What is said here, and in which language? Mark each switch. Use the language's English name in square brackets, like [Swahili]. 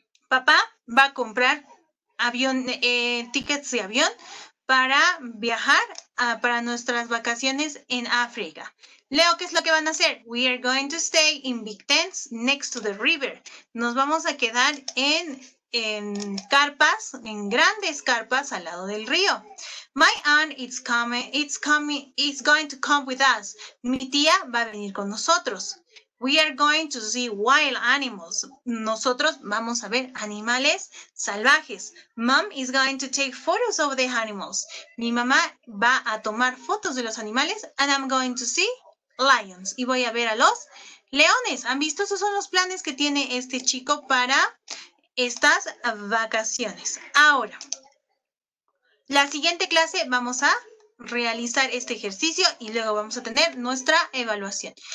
[Spanish] Papá va a comprar avión, tickets de avión para viajar para nuestras vacaciones en África. [English] Leo, [Spanish] ¿qué es lo que van a hacer? [English] We are going to stay in big tents next to the river. [Spanish] Nos vamos a quedar en carpas, en grandes carpas al lado del río. [English] My aunt is going to come with us. [Spanish] Mi tía va a venir con nosotros. [English] We are going to see wild animals. [Spanish] Nosotros vamos a ver animales salvajes. [English] Mom is going to take photos of the animals. [Spanish] Mi mamá va a tomar fotos de los animales. [English] And I'm going to see lions. [Spanish] Y voy a ver a los leones. ¿Han visto? Esos son los planes que tiene este chico para estas vacaciones. Ahora, la siguiente clase vamos a realizar este ejercicio y luego vamos a tener nuestra evaluación.